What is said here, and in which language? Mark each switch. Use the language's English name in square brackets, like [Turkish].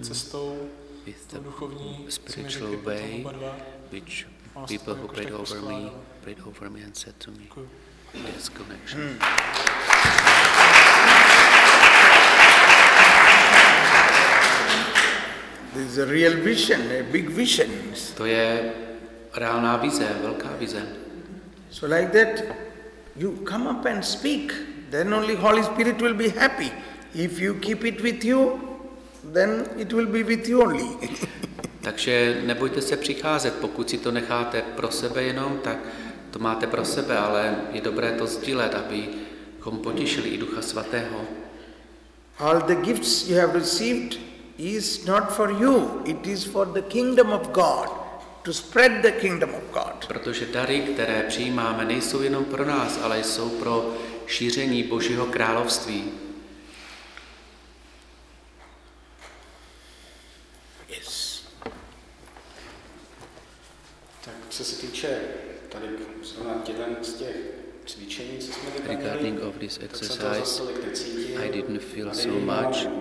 [English] with the spiritual way, which people who prayed over me and said to me, yes, connection. This is a real vision, a big vision. [Czech] To je reálná vize, velká vize. [English] So like that, you come up and speak, then only Holy Spirit will be happy. If you keep it with you, then it will be with you only. [Czech] Takže nebojte se přicházet, pokud si to necháte pro sebe jenom, tak to máte pro sebe, ale je dobré to sdílet, abychom potěšili i Ducha Svatého. [English] All the gifts you have received is not for you, it is for the kingdom of God, to spread the kingdom of God. [Czech] Protože dary, které přijímáme, nejsou jenom pro nás, ale jsou pro šíření Božího království. [English] Yes. [Czech] Tak co se týče tady zrovna jeden z těch cvičení, co jsme tady měli, [English] regarding of this exercise, I didn't feel so much.